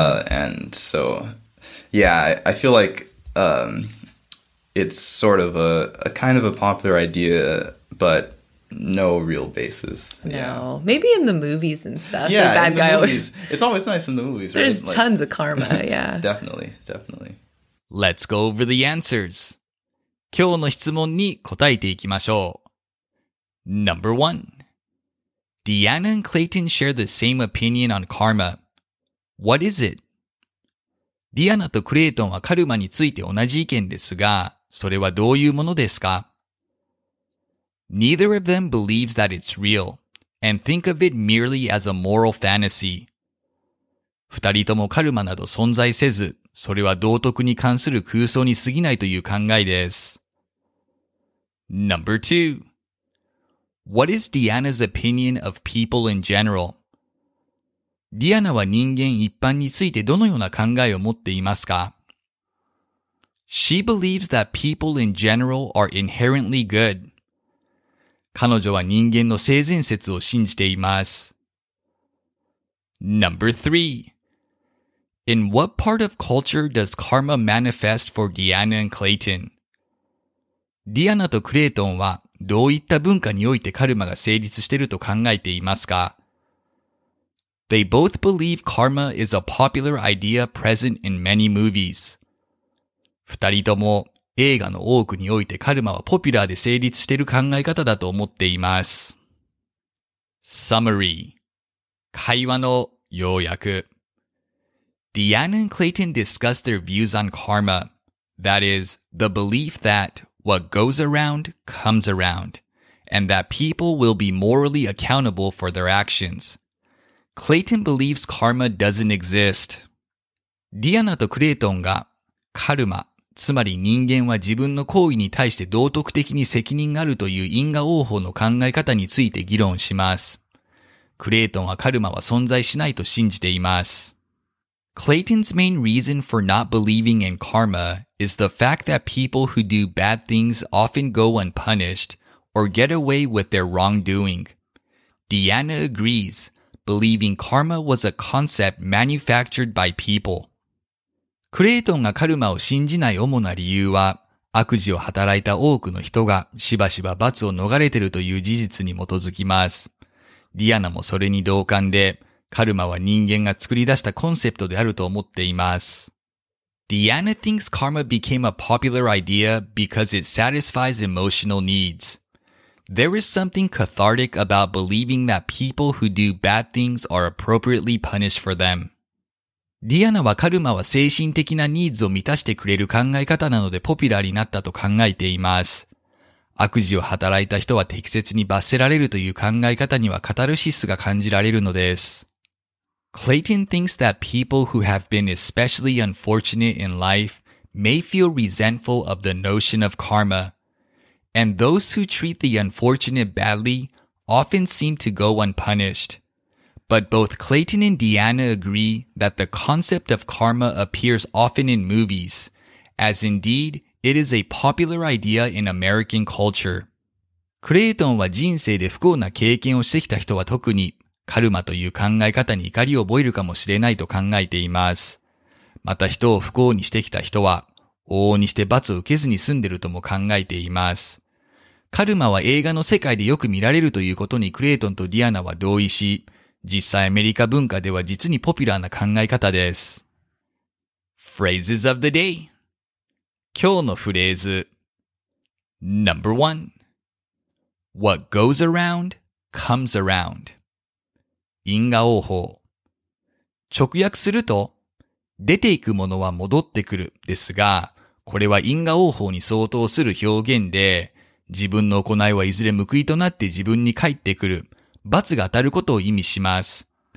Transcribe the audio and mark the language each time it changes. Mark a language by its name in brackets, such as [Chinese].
[English] And so, yeah, I feel like it's sort of a kind of a popular idea, but no real basis. No. Yeah. Maybe in the movies and stuff. Yeah, the bad guy always... It's always nice in the movies. There's right? tons like, of karma, yeah. Definitely, definitely. Let's go over the answers. [Japanese] 今日の質問に答えていきましょう。 [English] Number one. Deanna and Clayton share the same opinion on karma. What is it? [Japanese] Deanna とクレイトンはカルマについて同じ意見ですが、それはどういうものですか? [English] Neither of them believes that it's real, and think of it merely as a moral fantasy. [Japanese] 二人ともカルマなど存在せず、それは道徳に関する空想に過ぎないという考えです。 [English] Number two. What is Deanna's opinion of people in general? [Japanese] ディアナは人間一般についてどのような考えを持っていますか? [English] She believes that people in general are inherently good. [Japanese] 彼女は人間の性善説を信じています。 [English] Number three. In what part of culture does karma manifest for Deanna and Clayton? [Japanese] Deanna とクレイトンはどういった文化においてカルマが成立していると考えていますか? [English] They both believe karma is a popular idea present in many movies. [Japanese] 二人とも映画の多くにおいてカルマはポピュラーで成立している考え方だと思っています。 [English] Summary [Japanese] 会話の要約 [English] Deanna and Clayton discuss their views on karma, that is, the belief that what goes around comes around, and that people will be morally accountable for their actions. Clayton believes karma doesn't exist. [Japanese] Deanna とクレイトンが、カルマ、つまり人間は自分の行為に対して道徳的に責任があるという因果応報の考え方について議論します。クレイトンはカルマは存在しないと信じています。 [English] Clayton's main reason for not believing in karma is the fact that people who do bad things often go unpunished or get away with their wrongdoing. Deanna agrees, believing karma was a concept manufactured by people. [Japanese] クレイトンがカルマを信じない主な理由は、悪事を働いた多くの人がしばしば罰を逃れているという事実に基づきます。ディアナもそれに同感で、カルマは人間が作り出したコンセプトであると思っています。 [English] Deanna thinks karma became a popular idea because it satisfies emotional needs. There is something cathartic about believing that people who do bad things are appropriately punished for them. [Japanese] Deanna はカルマは精神的なニーズを満たしてくれる考え方なのでポピュラーになったと考えています。悪事を働いた人は適切に罰せられるという考え方にはカタルシスが感じられるのです。 [English] Clayton thinks that people who have been especially unfortunate in life may feel resentful of the notion of karma, and those who treat the unfortunate badly often seem to go unpunished. But both Clayton and Deanna agree that the concept of karma appears often in movies, as indeed it is a popular idea in American culture. [Japanese] クレイトンは人生で不幸な経験をしてきた人は特にカルマという考え方に怒りを覚えるかもしれないと考えています。また人を不幸にしてきた人は、往々にして罰を受けずに済んでるとも考えています。カルマは映画の世界でよく見られるということにクレイトンとディアナは同意し、実際アメリカ文化では実にポピュラーな考え方です。 [English] Phrases of the day [Japanese] 今日のフレーズ [English] Number one What goes around comes around [Japanese] 因果応報。直訳すると、出ていくものは戻ってくるですが、これは因果応報に相当する表現で、自分の行いはいずれ報いとなって自分に返ってくる、罰が当たることを意味します。